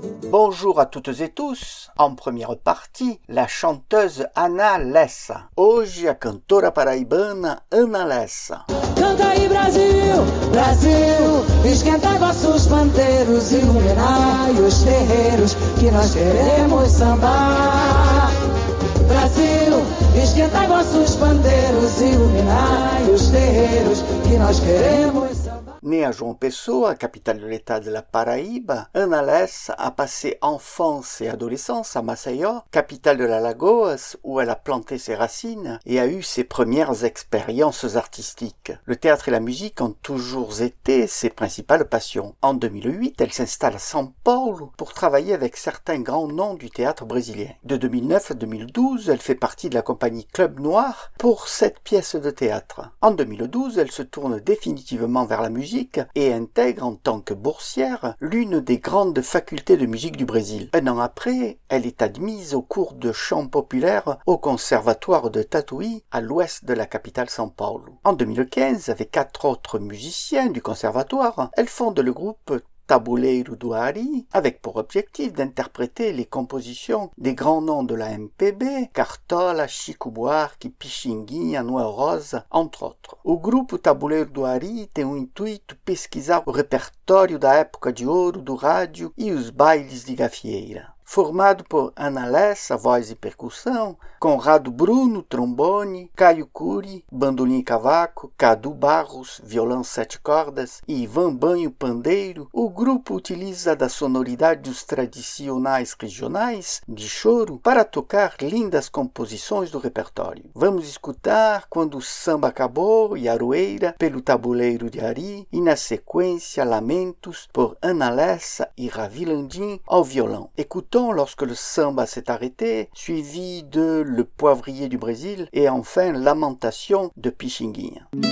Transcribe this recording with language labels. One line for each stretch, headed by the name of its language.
French: Bonjour à toutes et tous. En première partie, la chanteuse Ana Lessa.
Portuguese: Hoje, a cantora paraibana Ana Lessa. Canta aí, Brasil, Brasil, esquenta vossos panteiros, iluminai os terreiros que nós queremos sambar. Brasil, esquenta vossos panteiros, iluminai os terreiros que nós queremos sambar.
French: Née à João Pessoa, capitale de l'État de la Paraíba, Ana Lessa a passé enfance et adolescence à Maceió, capitale de la Lagoas, où elle a planté ses racines et a eu ses premières expériences artistiques. Le théâtre et la musique ont toujours été ses principales passions. En 2008, elle s'installe à São Paulo pour travailler avec certains grands noms du théâtre brésilien. De 2009 à 2012, elle fait partie de la compagnie Club Noir pour cette pièce de théâtre. En 2012, elle se tourne définitivement vers la musique et intègre en tant que boursière l'une des grandes facultés de musique du Brésil. Un an après, elle est admise au cours de chant populaire au conservatoire de Tatuí à l'ouest de la capitale São Paulo. En 2015, avec quatre autres musiciens du conservatoire, elle fonde le groupe Tabuleiro do Ari, avec pour objectif d'interpréter les compositions des grands noms de la MPB, Cartola, Chico Buarque, Pixinguinha, Noel Rosa, entre autres.
Portuguese: O grupo Tabuleiro do Ari tem o intuito de pesquisar o repertório da época de ouro do rádio e os bailes de gafieira. Formado por Ana Lessa, voz e percussão, Conrado Bruno, trombone, Caio Curi, bandolim e cavaco, Cadu Barros, violão sete cordas e Ivan Banho, pandeiro, o grupo utiliza da sonoridade dos tradicionais regionais de choro para tocar lindas composições do repertório. Vamos escutar Quando o Samba Acabou e Aroeira pelo Tabuleiro de Ari e, na sequência, Lamentos por Ana Lessa e Ravi Landim ao violão.
French: Écoutons Lorsque le Samba s'est arrêté, suivi de Le Poivrier du Brésil et enfin Lamentation de Pixinguinha.